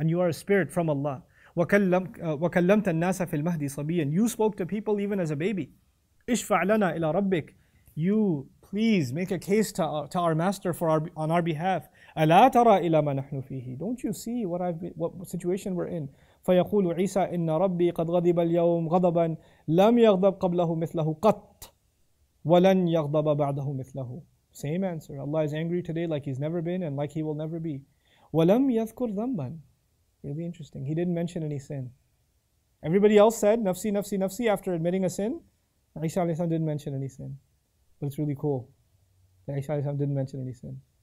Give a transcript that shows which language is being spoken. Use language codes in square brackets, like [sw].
[en] And you are a spirit from Allah. [ar] وَكَلَّمْتَ النَّاسَ فِي الْمَهْدِ صَبِيًّا. [en] You spoke to people even as a baby. [ar] اِشْفَعْ لَنَا إِلَىٰ رَبِّكْ. [en] You please make a case to our master on our behalf. [ar] أَلَا تَرَىٰ إِلَىٰ مَا نَحْنُ فِيهِ. [en] Don't you see what situation we're in? [ar] فيقول عيسى إن ربي قد غضب اليوم غضبا لم يغضب قبله مثله قط ولن يغضب بعده مثله. [en] Same answer. Allah is angry today like he's never been and like he will never be. [ar] ولم يذكر ذنبا. [en] Really interesting. He didn't mention any sin. Everybody else said [ar] نفسي نفسي نفسي [en] after admitting a sin. عيسى عليه السلام didn't mention any sin. But it's really cool that عيسى عليه السلام didn't mention any sin.